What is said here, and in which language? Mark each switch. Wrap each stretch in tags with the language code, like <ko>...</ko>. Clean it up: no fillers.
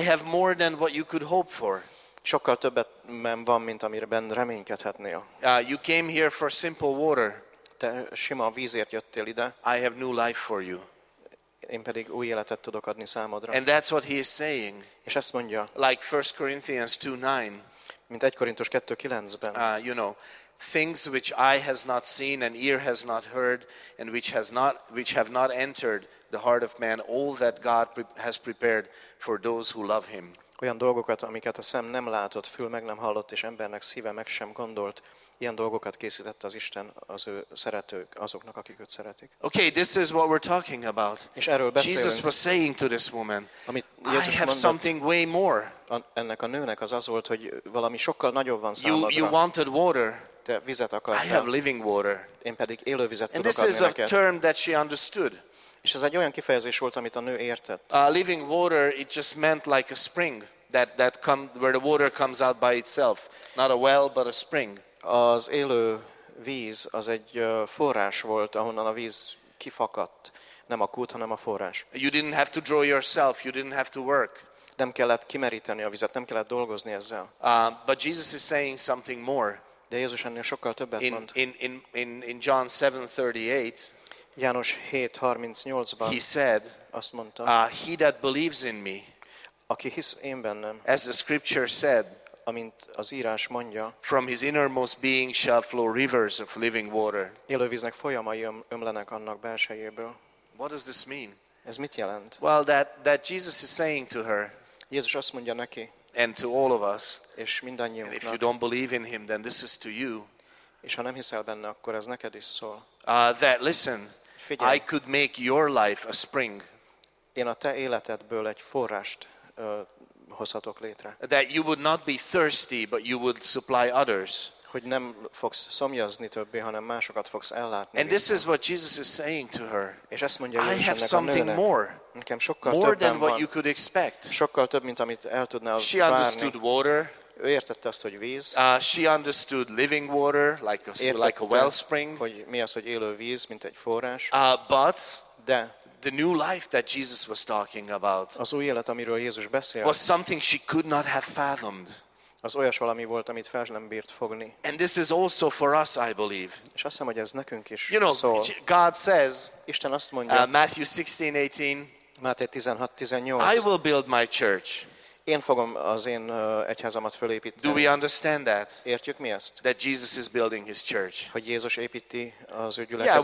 <en>I have more than what you could hope for.</en> <hu>Sokkal többet van, mint amiben reménykedhetnél.</hu> <en>You came here for simple water.</en> <hu>Te sima vízért jöttél ide.</hu> <en>I have new life for you.</en> <hu>Én pedig új életet tudok adni számodra.</hu> <en>And that's what he is saying.</en> <hu>És ezt mondja.</hu> <en>Like 1 Corinthians 2:9.</en> <hu>Mint 1 Korintus 2:9-ben.</hu> <en>You know, things which eye has not seen and ear has not heard and which have not entered the heart of man, all that God has prepared for those who love him.</en> <hu>Olyan dolgokat, amiket a szem nem látott, fül meg nem hallott, és embernek szíve meg sem gondolt, ilyen dolgokat készített az Isten az ő szeretők, azoknak, akik őt szeretik.</hu> <en>Okay, this is what we're talking about.</en> <hu>És erről beszélünk.</hu> <en>Jesus was saying to this woman,</en> <hu>amit Jézus mondott,</hu> <en>I have something way more.</en> <hu>Ennek a nőnek az az volt, hogy valami sokkal nagyobb van számodra.</hu> <en>You wanted water.</en> <hu>Te vizet akartál.</hu> <en>I have living water.</en> <hu>Én pedig élő vizet</hu> <en>And</en> <hu>tudok</hu> <en>this is</en> <hu>neked.</hu> <en>A term that she understood.</en> <hu>És ez egy olyan kifejezés volt, amit a nő értett.</hu> <en>Living water, it just meant like a spring that come where the water comes out by itself, not a well but a spring.</en> <hu>Az élő víz az egy forrás volt, ahonnan a víz kifakadt, nem a kút, hanem a forrás.</hu> <en>You didn't have to draw yourself, you didn't have to work.</en> <hu>Nem kellett kimeríteni a vizet, nem kellett dolgozni ezzel.</hu> <en>But Jesus is saying something more.</en> <hu>De Jézus ennél sokkal többet</hu> <en>in,</en> <hu>mond.</hu> <en>In John 7:38.</en> <hu>János 7:38-ban.</hu> <en>He said,</en> <hu>azt mondta,</hu> <en>he that believes in me,</en> <hu>aki hisz én bennem,</hu> <en>as the scripture said,</en> <hu>amint az írás mondja,</hu> <en>from his innermost being shall flow rivers of living water.</en> <hu>Élővíznek folyamai ömlenek annak belsejéből.</hu> <en>What does this mean?</en> <hu>Ez mit jelent?</hu> <en>Well, that Jesus is saying to her,</en> <hu>Jézus azt mondja neki,</hu> <en>and to all of us,</en> <hu>és mindannyiunknak,</hu> <en>and if you don't believe in him, then this is to you,</en> <hu>és ha nem hiszel benne, akkor ez neked is szól.</hu> <en>That listen,</en> <hu>figyelj,</hu> <en>I could make your life a spring.</en> <hu>Én a te életedből egy forrást hozhatok létre.</hu> <en>That you would not be thirsty, but you would supply others.</en> <hu>Hogy nem fogsz szomjazni többé, hanem másokat fogsz ellátni.</hu> <en>And this is what Jesus is saying to her.</en> <hu>És ezt mondja Jézus</hu> <en>I have something more.</en> <hu>Nekem sokkal</hu> <en>more than</en> <hu>van.</hu> <en>What you could expect.</en> <hu>Sokkal több, mint amit el tudnál</hu> <en>She</en> <hu>várni.</hu> <en>Understood water.</en> <hu>Ő értette azt, hogy víz.</hu> <en>She understood living water, like a wellspring.</en> <hu>Hogy mi az, hogy élő víz, mint egy forrás.</hu> <en>But</en> <hu>de</hu> <en>the new life that Jesus was talking about,</en> <hu>az új élet, amiről Jézus beszélt,</hu> <en>was something she could not have fathomed.</en> <hu>Az olyas valami volt, amit fel nem bírt fogni.</hu> <en>And this is also for us, I believe.</en> <hu>És azt hiszem, hogy ez nekünk is.</hu> <en>You know,</en> <hu>szól.</hu> <en>God says,</en> <hu>Isten azt mondja,</hu> <en>Matthew 16:18,</en> <hu>Máté 16:18,</hu> <en>I will build my church.</en> <hu>Én fogom az én egyházamat fölépíteni.</hu> <en>Do we understand that?</en> <hu>Értjük mi ezt?</hu> <en>That Jesus is building his church.</en> <hu>Hogy Jézus építi az ő gyülekezetét.</hu>